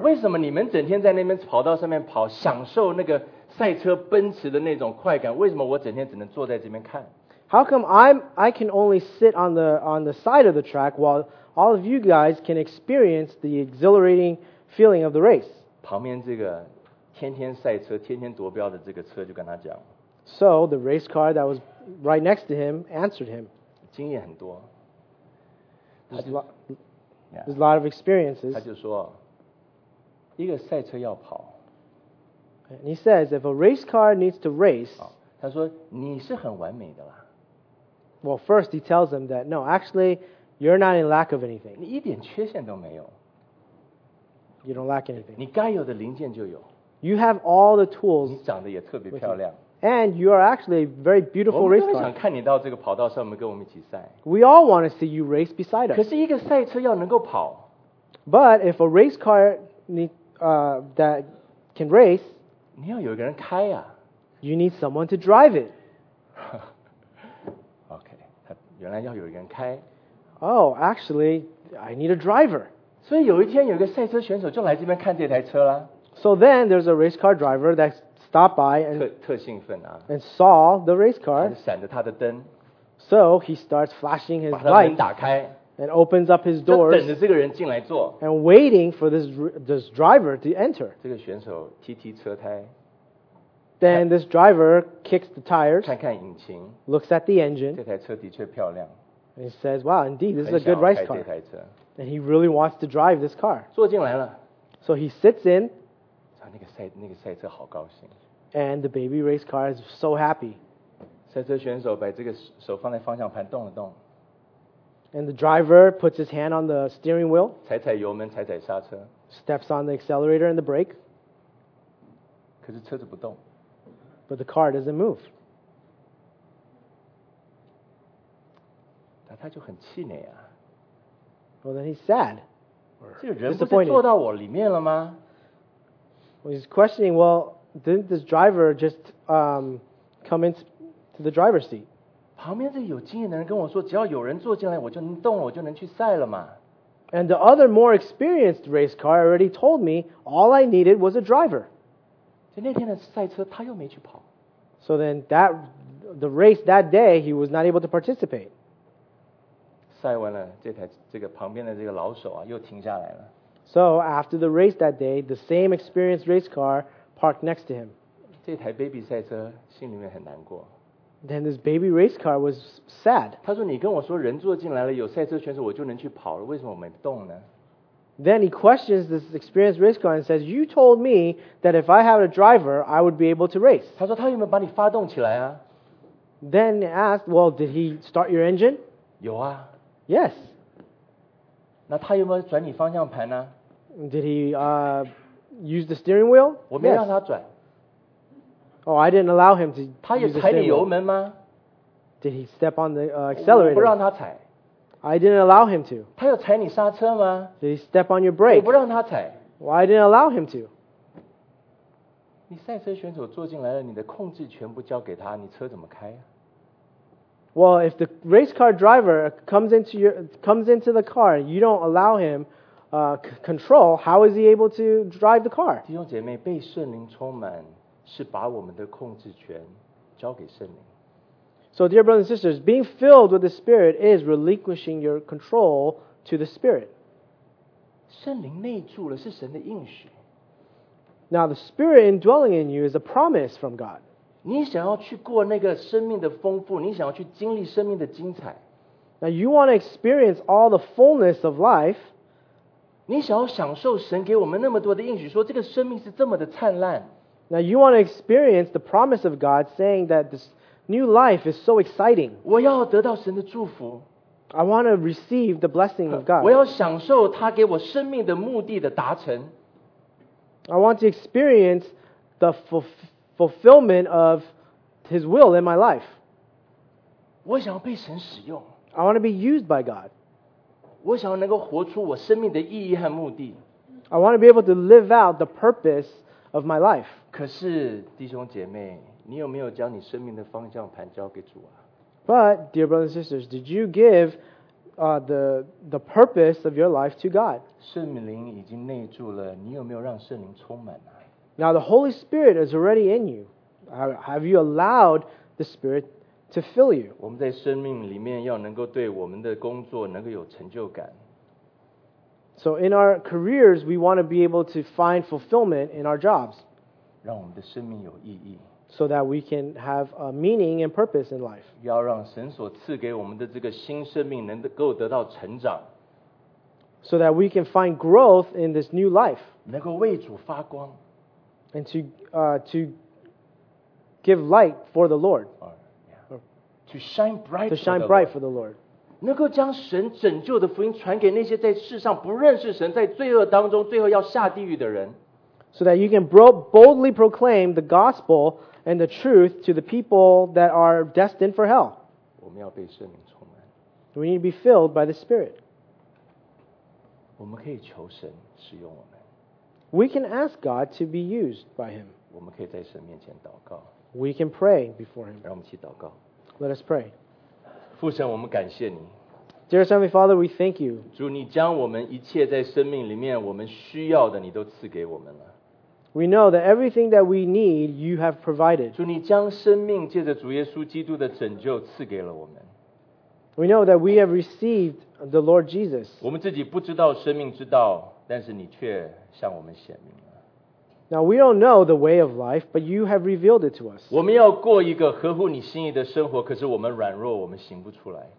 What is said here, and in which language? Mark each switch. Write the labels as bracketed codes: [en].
[zh] 为什么你们整天在那边跑道上面跑，享受那个赛车奔驰的那种快感？为什么我整天只能坐在这边看 [en] ？How come I can only sit on the side of the track while all of you guys can experience the exhilarating feeling of the race. [zh] 旁边这个天天赛车、天天夺标的这个车就跟他讲。 [en] So the race car that was right next to him answered him. [zh] 经验很多。 [en] There's a lot of experiences. [zh] 他就说，一个赛车要跑。 [en] And he says, if a race car needs to race, [zh] 他说你是很完美的啦。 [en] Well, first he tells him that no, actually. You're not in lack of anything. [zh] 你一点缺陷都没有。 [en] You don't lack anything. [zh] 你该有的零件就有。 [en] You have all the tools. [zh] 你长得也特别漂亮。 [en] And you are actually a very beautiful race car. [zh] 我们特别想看你到这个跑道上面跟我们一起赛。 [en] We all want to see you race beside us. [zh] 可是一个赛车要能够跑。 [en] But if a race car that can race, [zh] 你要有一个人开啊。 [en] You need someone to drive it. [zh] Okay, 原来要有一个人开。 [en] Oh, actually, I need a driver. [zh] 所以有一天有一个赛车选手就来这边看这台车了。 [en] So then there's a race car driver that stopped by and [zh] 特兴奋啊 [en] and saw the race car. [zh] 闪着他的灯。 [en] So he starts flashing his light. [zh] 把他的门打开 [en] and opens up his doors. [zh] 就等着这个人进来坐 [en] and waiting for this driver to enter. [zh] 这个选手踢踢车胎。 [en] Then this driver kicks the tires. [zh] 看看引擎 [en] looks at the engine. [zh] 这台车的确漂亮。 [en] And he says, wow, indeed, this is a good race car. And he really wants to drive this car. [zh] 坐进来了。 [en] So he sits in. [zh] 那个赛车好高兴。 [en] And the baby race car is so happy. [zh] 赛车选手把这个手放在方向盘动了动。 [en] And the driver puts his hand on the steering wheel. [zh] 踩踩油门，踩踩刹车。 [en] Steps on the accelerator and the brake. [zh] 可是车子不动。 [en] But the car doesn't move. [zh] 他就很气馁啊。 [en] Well, then he's sad. [zh] 这个人不是坐到我里面了吗？ [en] Well, he's questioning, well, didn't this driver just come into the driver's seat? [zh] 旁边这有经验的人跟我说，只要有人坐进来，我就能动了，我就能去赛了嘛。 [en] And the other more experienced race car already told me all I needed was a driver. [zh] 就那天的赛车，他又没去跑。 [en] So then the race that day, he was not able to participate. [zh] 赛完了，这个旁边的这个老手啊，又停下来了。 [en] So after the race that day, the same experienced race car parked next to him. [zh] 这台 baby 赛车心里面很难过。 [en] Then this baby race car was sad. [zh] 他说：“你跟我说人坐进来了，有赛车选手，我就能去跑了，为什么我没动呢？” [en] Then he questions this experienced race car and says, "You told me that if I had a driver, I would be able to race." [zh] 他说：“他有没有把你发动起来啊？” [en] Then he asked, "Well, did he start your engine?" [zh] 有啊。 [en] Yes. [zh] 那他有没有转你方向盘呢？ [en] Did he use the steering wheel? [zh] 我没让他转。 [en] Oh, I didn't allow him to. [zh] 他有踩你油门吗？ [en] Did he step on the accelerator? [zh] 我不让他踩。 [en] I didn't allow him to. [zh] 他有踩你刹车吗？ [en] Did he step on your brake? [zh] 我不让他踩。 [en] Well, I didn't allow him to. [zh] 你赛车选手坐进来了，你的控制全部交给他，你车怎么开呀？ [en] Well, if the race car driver comes into the car and you don't allow him control, how is he able to drive the car? [zh] 弟兄姐妹，被圣灵充满是把我们的控制权交给圣灵。 [en] So, dear brothers and sisters, being filled with the Spirit is relinquishing your control to the Spirit. [zh] 圣灵内住了是神的应许。 [en] Now, the Spirit indwelling in you is a promise from God. [zh] 你想要去过那个生命的丰富，你想要去经历生命的精彩。 [en] Now you want to experience all the fullness of life. [zh] 你想要享受神给我们那么多的应许，说这个生命是这么的灿烂。 [en] Now you want to experience the promise of God saying that this new life is so exciting. [zh] 我要得到神的祝福。 [en] I want to receive the blessing of God. [zh] 我要享受他给我生命的目的的达成。 [en] I want to experience the fulfillment of His will in my life. [zh] 我想要被神使用。 [en] I want to be used by God. [zh] 我想要能够活出我生命的意义和目的。 [en] I want to be able to live out the purpose of my life. [zh] 可是弟兄姐妹，你有没有将你生命的方向盘交给主啊？ [en] But, dear brothers and sisters, did you give the purpose of your life to God? [zh] 圣灵已经内住了，你有没有让圣灵充满啊？ [en] Now the Holy Spirit is already in you. Have you allowed the Spirit to fill you? [zh] 我们在生命里面要能够对我们的工作能够有成就感。 [en] So in our careers, we want to be able to find fulfillment in our jobs. [zh] 让我们的生命有意义。 [en] So that we can have a meaning and purpose in life. [zh] 要让神所赐给我们的这个新生命能够得到成长。 [en] So that we can find growth in this new life. [zh] 能够为主发光。 [en] And to give light for the Lord. To shine bright, to shine bright for the Lord. [zh] 能够将神拯救的福音传给那些在世上不认识神，在罪恶当中最后要下地狱的人。 [en] So that you can boldly proclaim the gospel and the truth to the people that are destined for hell. [zh] 我们要被圣灵充满。 [en] We need to be filled by the Spirit. [zh] 我们可以求神使用我们。 [en] We can ask God to be used by Him. [zh] 我们可以在神面前祷告。 [en] We can pray before Him. [zh] 让我们一起祷告。 [en] Let us pray. [zh] 父神，我们感谢你。 [en] Dear Heavenly Father, we thank you. [zh] 主，你将我们一切在生命里面我们需要的，你都赐给我们了。 [en] We know that everything that we need, you have provided. [zh] 主，你将生命借着主耶稣基督的拯救赐给了我们。 [en] We know that we have received the Lord Jesus. [zh] 我们自己不知道生命之道。但是你却向我们显明了。 [en] Now we don't know the way of life, but you have revealed it to us. [zh] 我们要过一个合乎你心意的生活，可是我们软弱，我们行不出来。